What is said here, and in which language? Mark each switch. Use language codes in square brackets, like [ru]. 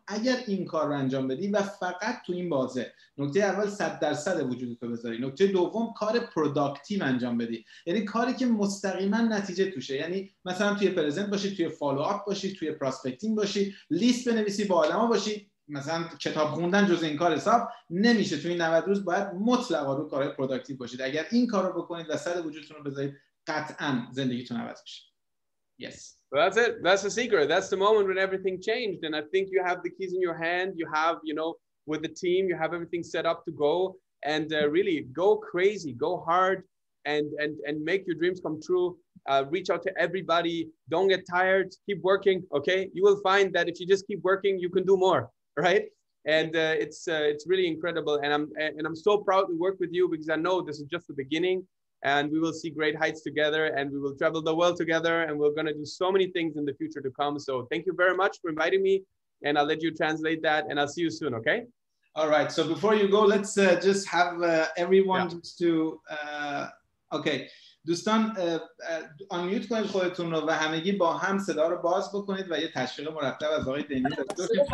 [fa] اگر این کار رو انجام بدی و فقط تو این بازه، نکته اول 100% وجودت رو بذاری، نکته دوم کار پروداکتیو انجام بدی، یعنی کاری که مستقیما نتیجه توشه، یعنی مثلا توی پرزنت باشی، توی فالو آپ باشی، توی پروسپکتینگ باشی، لیست بنویسی، با آدما باشی، مثلا کتاب خوندن جز این کار حساب نمیشه. تو این 90 روز باید مطلقا رو کارهای پروداکتیو باشید. اگر این کار رو بکنید و سر وجودتون رو بذارید، قطعا زندگیتون عوض میشه. [en] Yes. Well, that's it. That's the secret. That's the moment when everything changed. And I think you have the keys in your hand. You have, you know, with the team, you have everything set up to go. And really, go crazy. Go hard. And make your dreams come true. Reach out to everybody. Don't get tired. Keep working. Okay? You will find that if you just keep working, you can do more. Right? And it's really incredible. And I'm so proud to work with you because I know this is just the beginning and we will see great heights together and we will travel the world together and we're going to do so many things in the future to come. So thank you very much for inviting me and I'll let you translate that and I'll see you soon. Okay. All right. So before you go, let's just have everyone yeah. to, okay. [fa] دوستان آنمیوت کنید خودتون رو و همگی با هم صدا رو باز بکنید و یه تشویق مرتب از آقای دنیل دکتر.